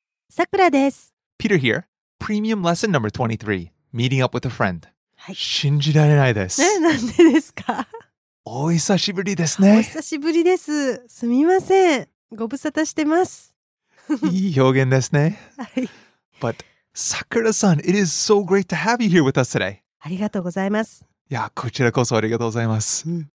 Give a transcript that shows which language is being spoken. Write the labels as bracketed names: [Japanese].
[Japanese] さくらです。 [English] Peter here. Premium lesson number 23. Meeting up with a friend. [Japanese] 信じられないです。え、なんでですか？お久しぶりですね。お久しぶりです。すみません、ご無沙汰してます。いい表現ですね。はい。 [English] But Sakura-san, it is so great to have you here with us today. [Japanese] ありがとうございます。いや、こちらこそありがとうございます。